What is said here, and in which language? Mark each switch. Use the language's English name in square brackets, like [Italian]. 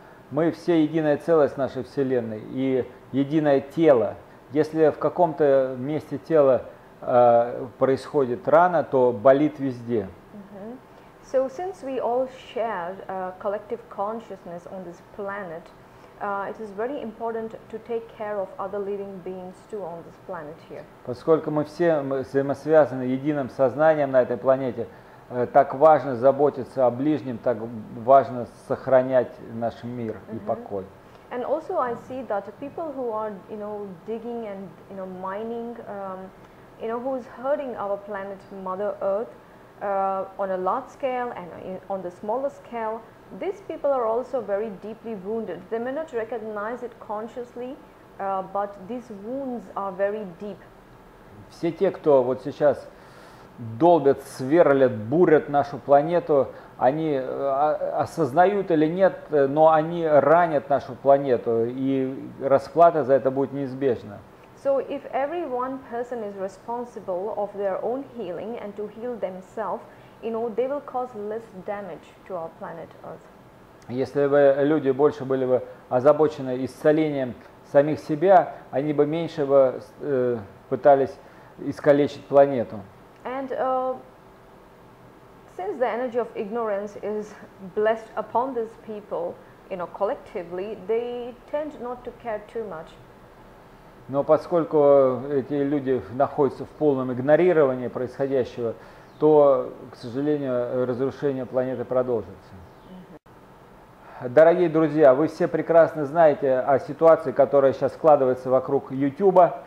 [Russian] Мы все единое целое с нашей Вселенной и единое тело. Если в каком-то месте тела происходит рана, то болит везде. [English] So since we all share a collective consciousness on this planet, it is very important to take care of other living beings too on this planet here. [Russian] Поскольку мы все взаимосвязаны единым сознанием на этой планете, так важно заботиться о ближнем, так важно сохранять наш мир и покой. [English] And also I see that people who are, you know, digging and, you know, mining, you know, who is hurting our planet Mother Earth, on a large scale and on the smaller scale, these people are also very deeply wounded. They may not recognize it consciously, but these wounds are very deep. [Russian] Все те, кто вот сейчас долбят, сверлят, бурят нашу планету, они осознают или нет, но они ранят нашу планету, и расплата за это будет неизбежна. [English] So if every one person is responsible of their own healing and to heal themselves, you know, they will cause less damage to our planet Earth. [Russian] Если бы люди больше были бы озабочены исцелением самих себя, они бы меньше бы пытались искалечить планету. [English] And since the energy of ignorance is blessed upon these people, you know, collectively, they tend not to care too much. [Russian] Но поскольку эти люди находятся в полном игнорировании происходящего, то, к сожалению, разрушение планеты продолжится. Дорогие друзья, вы все прекрасно знаете о ситуации, которая сейчас складывается вокруг YouTube.